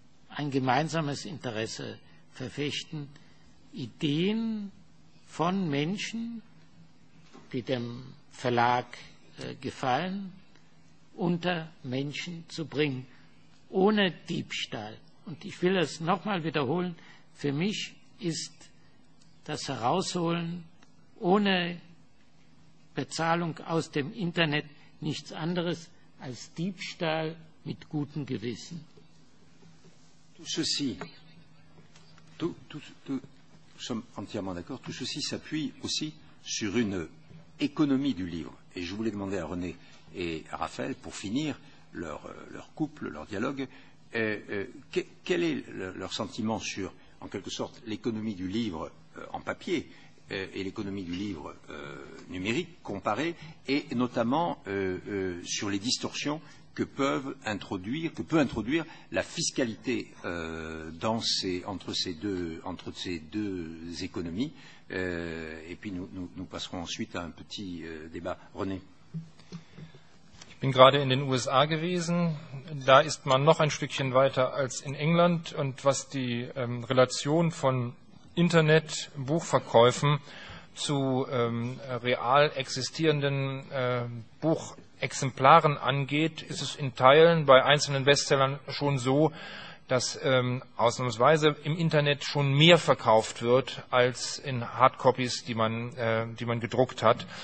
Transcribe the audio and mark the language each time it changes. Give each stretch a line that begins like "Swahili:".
German: ein gemeinsames Interesse verfechten, Ideen von Menschen, die dem Verlag gefallen, unter Menschen zu bringen, ohne Diebstahl. Und ich will es nochmal wiederholen, für mich ist das Herausholen ohne Bezahlung aus dem Internet nichts anderes als Diebstahl mit gutem Gewissen.
French: Tout ceci, tout, nous sommes entièrement d'accord, tout ceci s'appuie aussi sur une économie du livre. Et je voulais demander à René et à Raphaël, pour finir leur couple, leur dialogue, quel est leur sentiment sur, en quelque sorte, l'économie du livre en papier et l'économie du livre numérique comparée, et notamment sur les distorsions que peut introduire la fiscalité entre ces deux économies. Et puis nous passerons ensuite à un petit débat. René.
German: Ich bin gerade in den USA gewesen. Da ist man noch ein Stückchen weiter als in England. Und was die Relation von Internet-Buchverkäufen zu real existierenden Buchexemplaren angeht, ist es in Teilen bei einzelnen Bestsellern schon so, dass ausnahmsweise im Internet schon mehr verkauft wird als in Hardcopies, die man gedruckt hat.